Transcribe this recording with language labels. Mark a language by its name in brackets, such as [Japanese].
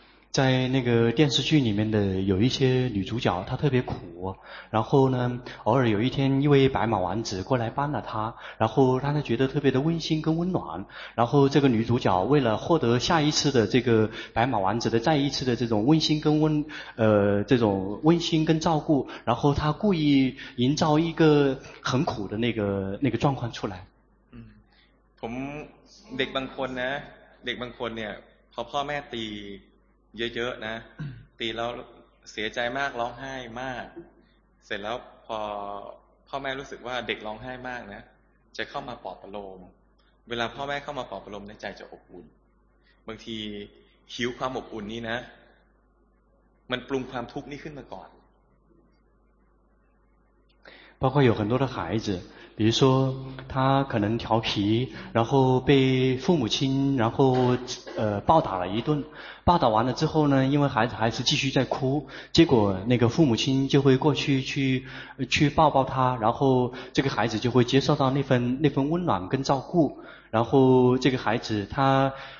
[Chinese] 在那个电视剧里面的有一些女主角她特别苦然后呢偶尔有一天一位白马王子过来帮了她然后让她觉得特别的温馨跟温暖然后这个女主角为了获得下一次的这个白马王子的再一次的这种温馨跟温这种温馨跟照顾然后她故意营造一个很苦的那个状况出来 [Thai] ผมเด็กบางคนนะเด็กบางคนเนี่ยพอพ่อแม่ตีเยอะๆนะตีแล้วเสียใจมากร้องไห้มากเสร็จแล้วพ่อแม่รู้สึกว่าเด็กร้องไห้มากนะจะเข้ามาปลอบประโลมเวลาพ่อแม่เข้ามาปลอบประโลมในใจจะอบอุ่นบางทีหิวความอบอุ่นนี้นะมันปรุงความทุกข์นี้ขึ้นมาก่อน [Chinese] 包括有很多的孩子比比如说他可能调皮，然后被父母亲然后暴打了一顿，暴打完了之后呢，因为孩子还是继续在哭，结果那个父母亲就会过去去抱抱他，然后这个孩子就会接受到那份温暖跟照顾，然后这个孩子他